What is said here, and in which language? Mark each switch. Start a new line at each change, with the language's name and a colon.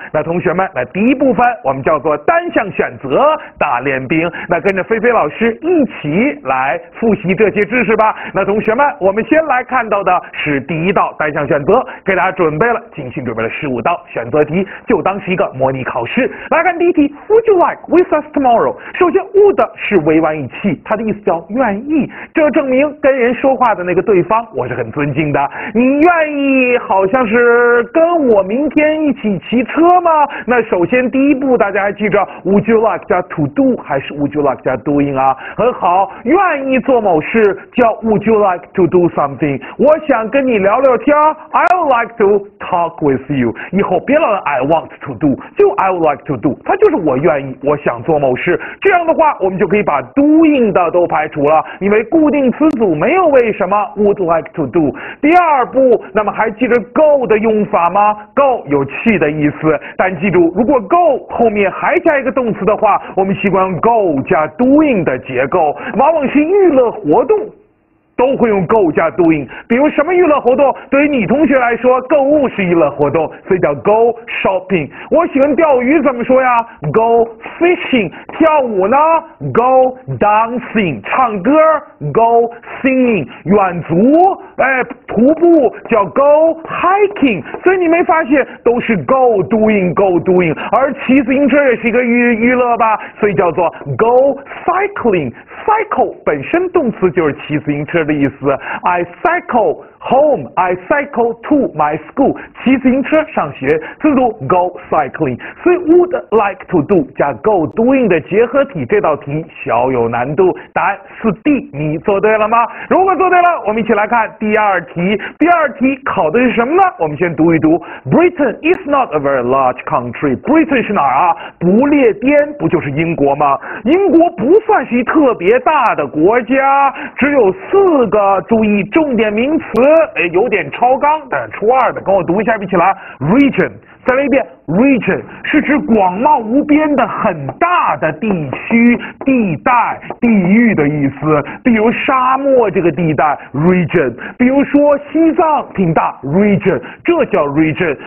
Chinese: 那同学们，那第一部分我们叫做单项选择大练兵，那跟着菲菲老师一起来复习这些知识吧。那同学们，我们先来看到的是第一道单项选择，给大家准备了，精心准备了15道选择题，就当是一个模拟考试。来看第一题
English: ，Would you like with us tomorrow？
Chinese: 首先 ，would 是委婉语气，它的意思叫愿意，这证明跟人说话的那个对方我是很尊敬的。你愿意好像是跟我明天一起骑车吗？那首先第一步，大家还记着 ，
English: Would you like
Chinese: 加 to do 还是 Would you like 加 doing 啊？很好，愿意做某事叫
English: Would you like to do something？
Chinese: 我想跟你聊聊天
English: ，I would like to talk with you。
Chinese: 以后别老
English: I want to do， 就 I would like to do。
Chinese: 它就是我愿意，我想做某事。这样的话，我们就可以把 doing 的都排除了，因为固定词组没有为什么 would like to do。第二步，那么还记得 go 的用法吗 ？go 有去的意思，但记住，如果 go 后面还加一个动词的话，我们习惯 go 加 doing。的结构往往是娱乐活动都会用 go 加 doing， 比如什么娱乐活动，对于女同学来说购物是娱乐活动，所以叫 go shopping。我喜欢钓鱼怎么说呀， go fishing。跳舞呢， go dancing。 唱歌， go singing。远足徒步叫 go hiking。所以你没发现都是 go doing go doing， 而骑自行车也是一个娱乐吧，所以叫做 go cycling。 cycle 本身动词就是骑自行车的意思，
English: I cycle home， I cycle to my school，
Chinese: 骑自行车上学，自读 go cycling。所以 would like to do 加 go doing 的结合体，这道题小有难度，答案是 D， 你做对了吗？如果做对了，我们一起来看第二题。第二题考的是什么呢？
English: 我们先读一读， Britain is not a very large country。
Chinese: Britain 是哪儿啊？不列颠不就是英国吗？英国不算是一特别大的国家，只有4个，注意重点名词有点超纲的，初二的跟我读一下，一起来 region。再来一遍， region 是指广袤无边的很大的地区、地带、地域的意思，比如沙漠这个地带 region， 比如说西藏挺大 region， 这叫 region。